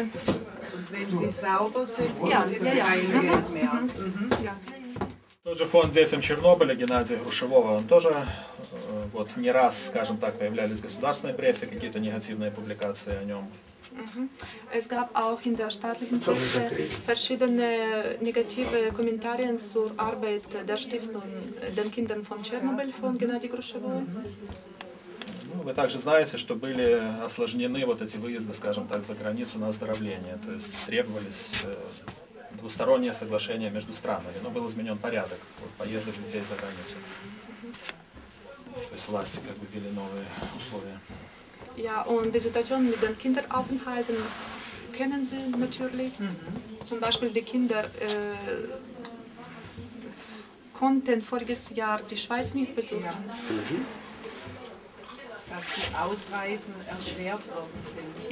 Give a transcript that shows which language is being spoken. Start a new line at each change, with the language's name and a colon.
German: Und wenn sie sauber sind, ja, ist es kein Geld mehr.
Russian: Тот же фонд «Детям Чернобыля» Геннадия Грушевого, он тоже вот не раз, скажем так, появлялись в государственной прессе какие-то негативные публикации о нем.
German: Es gab auch in der staatlichen Presse verschiedene negative Kommentare zur Arbeit der Stiftung den Kindern von Tschernobyl von Геннадия Грушевого.
Russian: Вы также знаете, что были осложнены вот эти выезды, скажем так, за границу на оздоровление, то есть требовались двустороннее соглашение между странами, но был изменен порядок вот, поездок детей за границу. То есть власти как бы ввели новые условия.
German: Ja, und die Situation mit den Kinderaufenthalten kennen Sie natürlich. Zum Beispiel die Kinder konnten voriges Jahr die Schweiz nicht besuchen. Dass die Ausreisen erschwert worden sind.